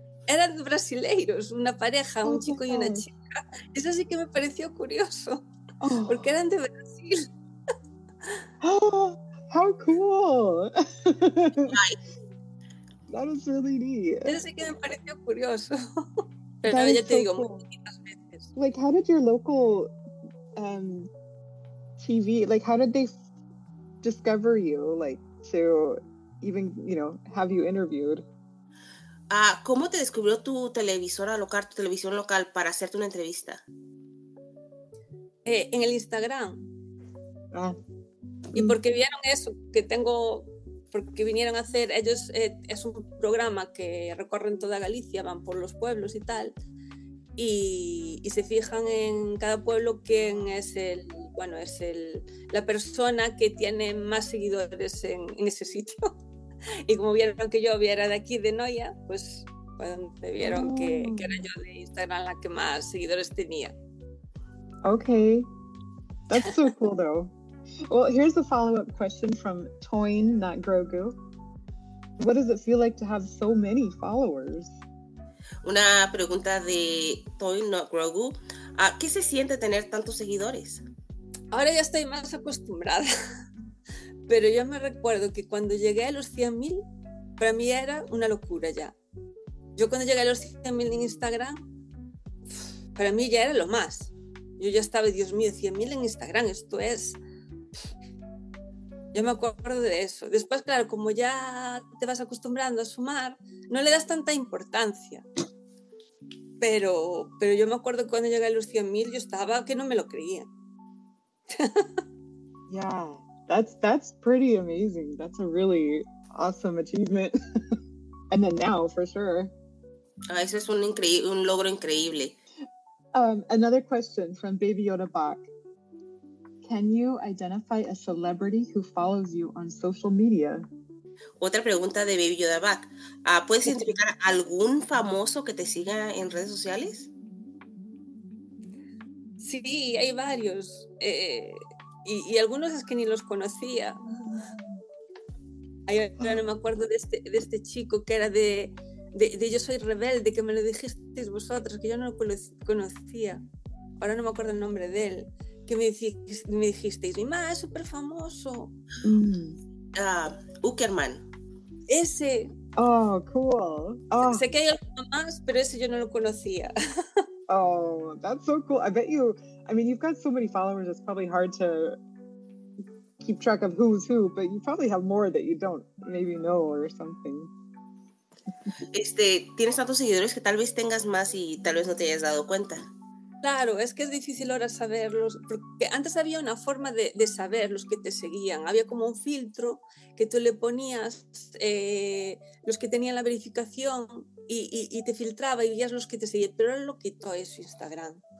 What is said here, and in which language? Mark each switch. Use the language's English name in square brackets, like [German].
[Spanish] Eran brasileiros, una pareja, un chico y una chica. Eso sí que me pareció curioso, porque eran de Brasil. [English] Oh, how cool. That is really neat. [Spanish] Eso sí que me pareció curioso. Pero no, ya te digo, muy poquitas veces. [English] Like, how did your local TV, like, how did they discover you, like, to even, you know, have you interviewed? [Spanish] ¿Cómo te descubrió tu televisora local, tu televisión local, para hacerte una entrevista? En el Instagram. Ah. Y porque vieron eso, porque vinieron a hacer, ellos, es un programa que recorren toda Galicia, van por los pueblos y tal, y se fijan en cada pueblo quién es el, bueno, es la persona que tiene más seguidores en ese sitio. Y como vieron que yo era de aquí, de Noia, pues cuando vieron que era yo de Instagram la que más seguidores tenía. [English] Okay. That's so cool, though. Well, here's the follow-up question from Toyn, not Grogu. What does it feel like to have so many followers? [Spanish] Una pregunta de Toyn, not Grogu. ¿Qué se siente tener tantos seguidores? Ahora ya estoy más acostumbrada. Pero yo me recuerdo que cuando llegué a los 100.000, para mí era una locura ya. Yo cuando llegué a los 100.000 en Instagram, para mí ya era lo más. Yo ya estaba, Dios mío, 100.000 en Instagram, esto es... Yo me acuerdo de eso. Después, claro, como ya te vas acostumbrando a sumar, no le das tanta importancia. Pero yo me acuerdo que cuando llegué a los 100.000, yo estaba que no me lo creía. [English] Yeah, that's pretty amazing. That's a really awesome achievement. And then now, for sure. [Spanish] Ese es un logro increíble. [English] Another question from Baby Yoda Bach. Can you identify a celebrity who follows you on social media? [Spanish] Otra pregunta de Baby Yoda Bach. ¿Puedes identificar algún famoso que te siga en redes sociales? Sí, hay varios. Y algunos es que ni los conocía. Ahora no me acuerdo de este chico que era de Yo Soy Rebelde, que me lo dijisteis vosotros, que yo no lo conocía. Ahora no me acuerdo el nombre de él. Que me dijisteis, mi mamá es súper famoso. Uckerman. Ese. [English] Oh, cool. Oh. [Spanish] Sé que hay alguno más, pero ese yo no lo conocía. [English] Oh, that's so cool. I bet you, I mean, you've got so many followers, it's probably hard to keep track of who's who, but you probably have more that you don't maybe know or something. [Spanish] Tienes tantos seguidores que tal vez tengas más y tal vez no te hayas dado cuenta. Claro, es que es difícil ahora saberlos, porque antes había una forma de saber los que te seguían. Había como un filtro que tú le ponías los que tenían la verificación y te filtraba y veías los que te seguían, pero ahora lo quitó eso Instagram.